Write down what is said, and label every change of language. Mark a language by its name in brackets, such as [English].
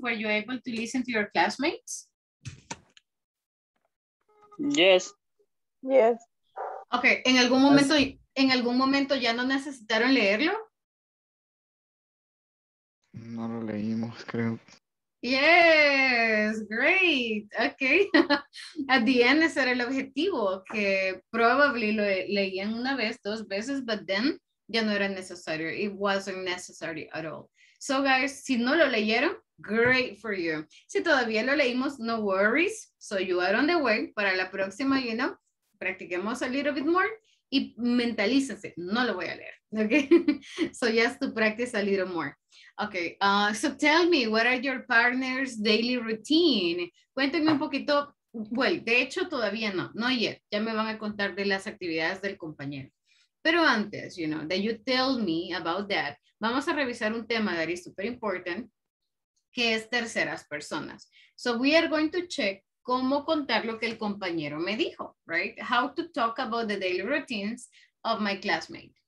[English] Were you able to listen to your classmates? Yes. Yes. [Spanish] Okay, ¿en algún momento ya no necesitaron leerlo? No lo leímos, creo. [English] Yes, great, okay. At the end, [Spanish] ese era el objetivo, que probably lo leían una vez, dos veces, but then ya no era necesario, [English] it wasn't necessary at all. So guys, [Spanish] si no lo leyeron, [English] great for you. [Spanish] Si todavía lo leímos, [English] no worries, so you are on the way [Spanish] para la próxima, [English] you know, practiquemos a little bit more [Spanish] y mentalícese, no lo voy a leer, [English] okay? So yes, to practice a little more. Okay, so tell me, what are your partner's daily routine? [Spanish] Cuéntenme un poquito, well, de hecho todavía no, [English] no yet, [Spanish] ya me van a contar de las actividades del compañero. Pero antes, [English] you know, that you tell me about that, [Spanish] vamos a revisar un tema [English] that is super important, [Spanish] que es terceras personas. [English] So we are going to check [Spanish] cómo contar lo que el compañero me dijo, [English] right? How to talk about the daily routines of my classmate.